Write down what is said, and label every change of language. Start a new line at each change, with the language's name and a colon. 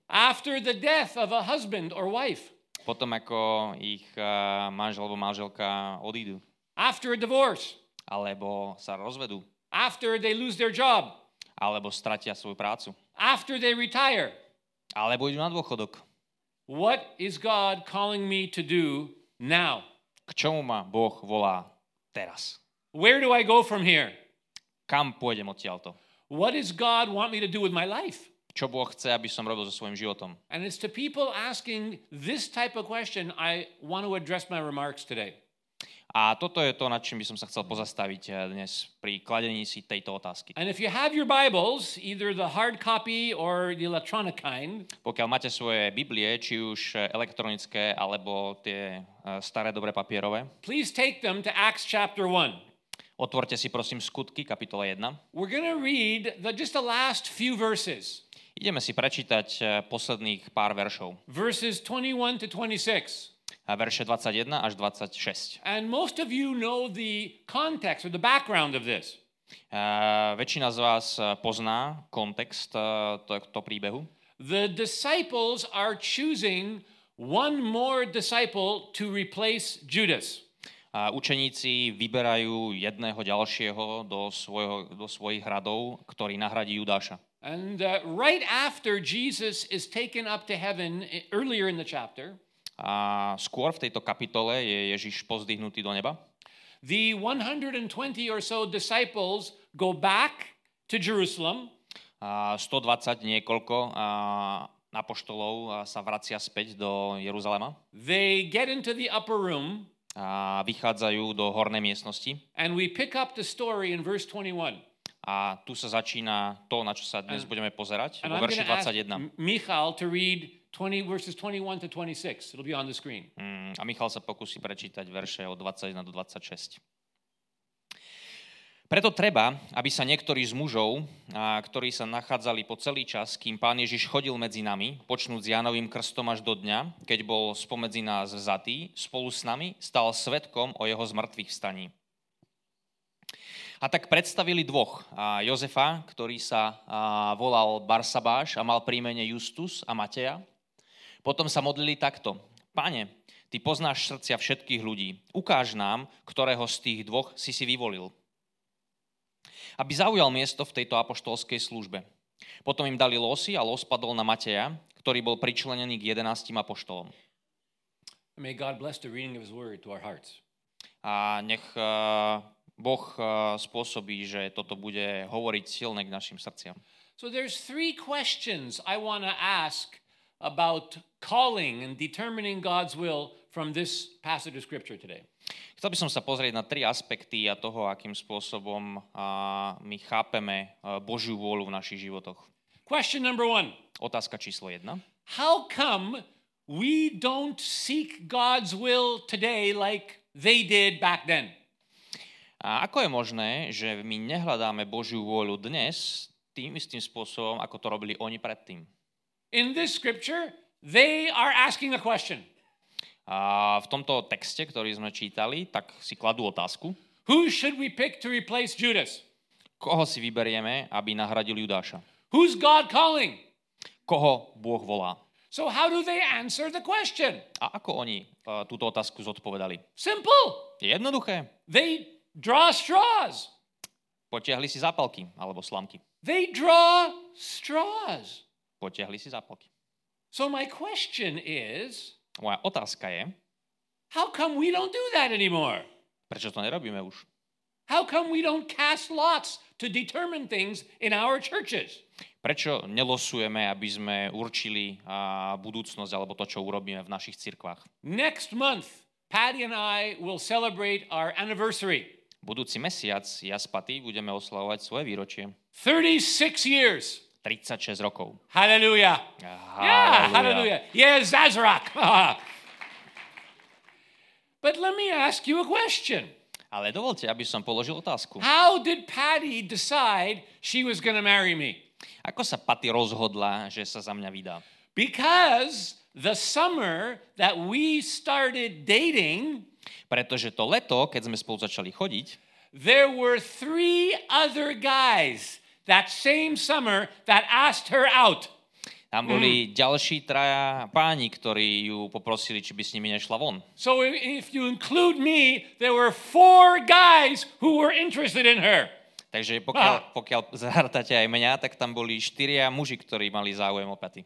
English: After the death of a husband or wife.
Slovak: Potom ako ich manžel alebo manželka odídu.
English: After a divorce.
Slovak: Alebo sa rozvedú.
English: After they lose their job.
Slovak: Alebo stratia svoju prácu.
English: After they retire.
Slovak: Alebo idú na dôchodok.
English: What is God calling me to do? Now.
Slovak: K čomu ma Boh volá teraz?
English: Where do I go from here?
Slovak: Kam pôjdem odtiaľto?
English: What does God want me to do with my life?
Slovak: Čo Boh chce, aby som robil so svojím životom?
English: And it's to people asking this type of question I want to address my remarks today.
Slovak: A toto je to, nad čím by som sa chcel pozastaviť dnes pri kladení si tejto otázky.
English: And if you have your Bibles, either the hard copy or the electronic kind,
Slovak: pokiaľ máte svoje Biblie, či už elektronické alebo tie staré dobré papierové,
English: please take them to Acts chapter 1.
Slovak: Otvorte si prosím Skutky kapitola 1.
English: We're going to read just the last few verses.
Slovak: Ideme si prečítať posledných pár veršov.
English: Verses 21 to 26.
Slovak: A verše 21 až 26.
English: And most of you know the context or the background of this.
Slovak: Väčšina z vás pozná kontext tohto príbehu.
English: The disciples are choosing one more disciple to replace Judas.
Slovak: Učeníci vyberajú jedného ďalšieho do svojich radov, ktorý nahradí Judáša.
English: And right after Jesus is taken up to heaven earlier in the chapter.
Slovak: A skôr v tejto kapitole je Ježiš pozdvihnutý do neba.
English: The 120 or so disciples go back to Jerusalem.
Slovak: 120 niekoľko apoštolov sa vracia späť do Jeruzalema.
English: They get into the upper room.
Slovak: A vychádzajú do hornej miestnosti.
English: And we pick up the story in verse 21.
Slovak: A tu sa začína to, na čo sa dnes budeme pozerať, vo verši 21.
English: Michal to read 20 verses 21 to 26. It'll be on the screen.
Slovak: A Michal sa pokusí prečítať verše od 21 do 26. Preto treba, aby sa niektorí z mužov, ktorí sa nachádzali po celý čas, kým Pán Ježiš chodil medzi nami, počnúc s Jánovým krstom až do dňa, keď bol spomedzi nás vzatý, spolu s nami stal svedkom o jeho zmrtvých staní. A tak predstavili dvoch. Jozefa, ktorý sa volal Barsabáš a mal príjmene Justus, a Mateja. Potom sa modlili takto. Pane, ty poznáš srdcia všetkých ľudí. Ukáž nám, ktorého z tých dvoch si si vyvolil, aby zaujal miesto v tejto apoštolskej službe. Potom im dali losy a los padol na Mateja, ktorý bol pričlenený k 11 apoštolom.
English: May God bless the reading of his word to our hearts.
Slovak: A nech Boh spôsobí, že toto bude hovoriť silne k našim srdciam.
English: So there's three questions I want to ask about calling and determining God's will from this passage of scripture today.
Slovak: Chcel by som sa pozrieť na tri aspekty a toho, akým spôsobom my chápeme Božiu vôľu v našich životoch.
English: Question number one.
Slovak: Otázka číslo jedna.
English: How come we don't seek God's will today like they did back then?
Slovak: A ako je možné, že my nehľadáme Božiu vôľu dnes tým istým spôsobom, ako to robili oni predtým.
English: In this scripture, they are asking a question.
Slovak: A v tomto texte, ktorý sme čítali, tak si kladú otázku.
English: Who should we pick to replace Judas?
Slovak: Koho si vyberieme, aby nahradil Judáša?
English: Who's God calling?
Slovak: Koho Bôh volá?
English: So how do they answer the question?
Slovak: A ako oni túto otázku zodpovedali?
English: Simple.
Slovak: Jednoduché.
English: They draw straws.
Slovak: Potiahli si zápalky alebo slamky.
English: They draw straws.
Slovak: Potiahli si zápalky.
English: So my question is,
Slovak: moja otázka je,
English: how come we don't do that anymore?
Slovak: Prečo to nerobíme už?
English: How come we don't cast lots to determine things in our churches?
Slovak: Prečo nelosujeme, aby sme určili budúcnosť alebo to, čo urobíme v našich cirkvách?
English: Next month, Patty and I will celebrate our anniversary.
Slovak: Budúci mesiac ja s Patty budeme oslavovať svoje výročie.
English: 36 years.
Slovak: 36 rokov.
English: Hallelujah.
Slovak: Hallelujah.
English: Yeah, hallelujah. Yes, Zazrak. But let me ask you a question.
Slovak: Ale dovolte, aby som položil otázku.
English: How did Patty decide she was going to marry me?
Slovak: Ako sa Patty rozhodla, že sa za mňa vydá?
English: Because the summer that we started dating,
Slovak: pretože to leto, keď sme spolu začali chodiť,
English: there were three other guys that same summer that asked her out.
Slovak: Tam boli ďalší traja páni, ktorí ju poprosili, či by s nimi nešla von.
English: So if you include me, there were four guys who were interested in her.
Slovak: Takže pokiaľ zahrtáte aj mňa, tak tam boli štyria muži, ktorí mali záujem o Patty.